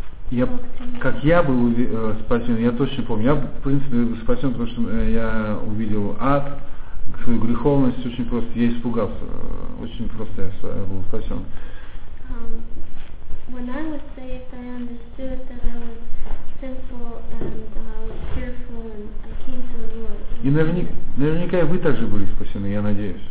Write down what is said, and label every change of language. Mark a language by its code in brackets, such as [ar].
[ru] Я, как я был спасен, я точно помню. Я, в принципе, был спасен, потому что я увидел ад, свою греховность, очень просто. Я испугался. Очень просто я был спасен. [en] When I was saved, I understood that I was sinful and fearful and I came to the Lord. [ru] И наверняка вы также были спасены, я надеюсь.